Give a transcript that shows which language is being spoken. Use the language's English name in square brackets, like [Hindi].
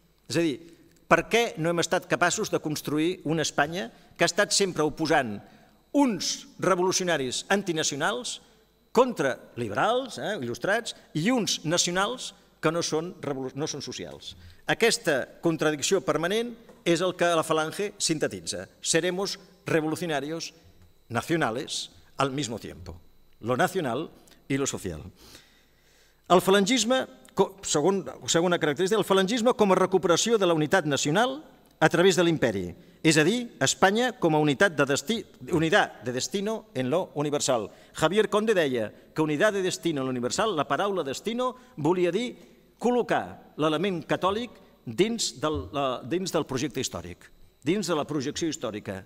[Catalan] És a dir, per què no hem estat capaços de construir una Espanya que ha estat sempre oposant uns revolucionaris antinacionals contra liberals, il·lustrats, i uns nacionals que no són socials? Aquesta contradicció permanent és el que la Falange sintetitza. [Spanish] Seremos revolucionarios nacionales al mismo tiempo. Lo nacional y lo social. El falangisme... [Catalan] Segona característica, el falangisme com a recuperació de la unitat nacional a través de l'imperi, és a dir, Espanya com a unitat de [Spanish] destino en lo universal. [Catalan] Javier Conde deia que unitat de [Spanish] destino en lo universal, [Catalan] la paraula destino, volia dir col·locar l'element catòlic dins del projecte històric, dins de la projecció històrica.